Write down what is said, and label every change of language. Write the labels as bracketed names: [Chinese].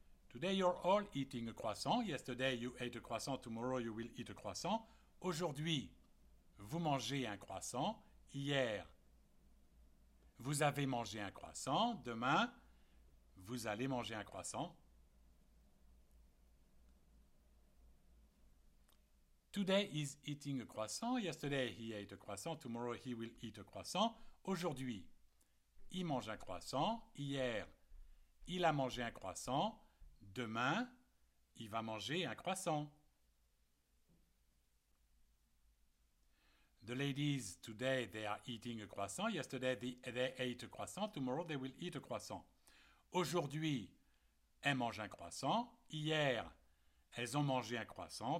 [English] Today you're all eating a croissant. Yesterday you ate a croissant. Tomorrow you will eat a croissant. [French] Aujourd'hui, vous mangez un croissant. Hier, vous avez mangé un croissant. Demain, vous allez manger un croissant. [English] Today is eating a croissant. Yesterday he ate a croissant. Tomorrow he will eat a croissant. [French] Aujourd'hui, il mange un croissant. Hier, il a mangé un croissant. Demain, il va manger un croissant. [English] The ladies, today they are eating a croissant. Yesterday they ate a croissant. Tomorrow they will eat a croissant. [French] Aujourd'hui, elles mangent un croissant. Hier, elles ont mangé un croissant.